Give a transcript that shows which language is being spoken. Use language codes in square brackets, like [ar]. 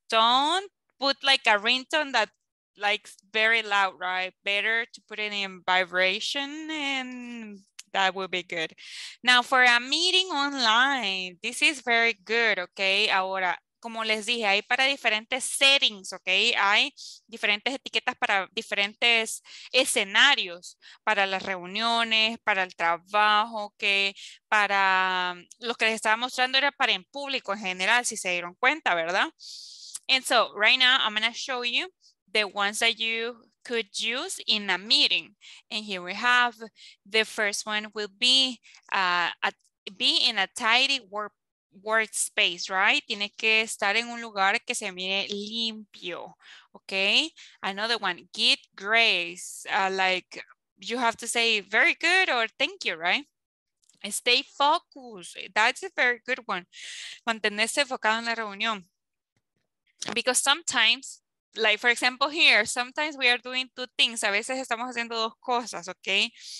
[en] Don't put like a ringtone that like very loud, right? Better to put it in vibration and that will be good. Now for a meeting online, this is very good, okay? [es] Ahora, como les dije, hay para diferentes settings, ¿ok? Hay diferentes etiquetas para diferentes escenarios, para las reuniones, para el trabajo, ¿ok? Para lo que les estaba mostrando era para en público en general, si se dieron cuenta, ¿verdad? [en] And so, right now, I'm going to show you the ones that you could use in a meeting. And here we have the first one will be be in a tidy workspace, right? [es] Tiene que estar en un lugar que se mire limpio, okay? [en] Another one, get grace, like you have to say very good or thank you, right? Stay focused, that's a very good one. [es] Mantenerse enfocado en la reunión. [en] Because sometimes, like for example here, sometimes we are doing two things, [es] a veces estamos haciendo dos cosas, [en] okay?